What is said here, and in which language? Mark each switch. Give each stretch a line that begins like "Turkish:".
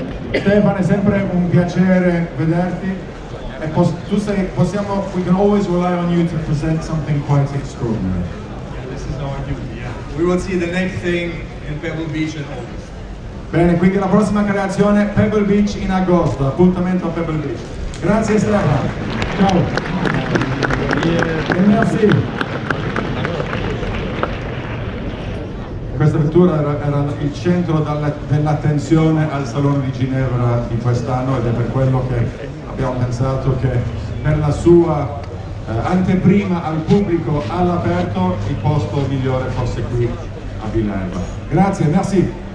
Italian: Stefano, è sempre un piacere vederti. E tu sei, possiamo,
English: we can always rely on you to present something quite extraordinary. Yeah, this is our duty, yeah. We will see the next thing in Pebble Beach in August.
Italian: Bene, quindi la prossima creazione, Pebble Beach in agosto. Appuntamento a Pebble Beach. Grazie Stefano. Ciao. E merci. Questa vettura era il centro dell'attenzione al Salone di Ginevra di quest'anno, ed è per quello che abbiamo pensato che per la sua anteprima al pubblico all'aperto il posto migliore fosse qui a Villeneuve. Grazie, merci.